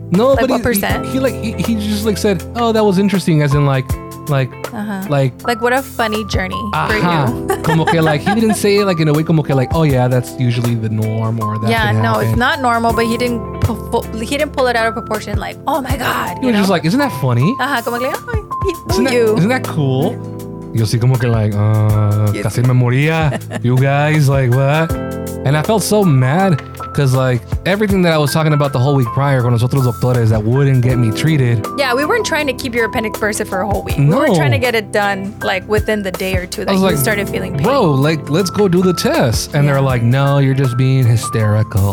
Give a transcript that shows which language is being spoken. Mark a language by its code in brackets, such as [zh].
[en] No, like, but what percent? He said, oh, that was interesting, as in, like, uh-huh. Like, what a funny journey for you. [es] Como que, [en] like, he didn't say it, like, in a way, [es] como que, [en] like, oh, yeah, that's usually the norm or that. Yeah, can no, it's not normal, but he didn't pull it out of proportion, like, oh, my God. He was just like, isn't that funny? Uh-huh, [es] como que, [en] isn't that cool? [es] Yo sí como que like, casi me moría. [en] You guys, like, what? And I felt so mad because, like, everything that I was talking about the whole week prior [es] con nosotros doctores [en] that wouldn't get me treated. Yeah, we weren't trying to keep your appendix bursted for a whole week. No. We were trying to get it done, like, within the day or two that you like, started feeling pain. Bro, like, let's go do the test. And they're like, no, you're just being hysterical.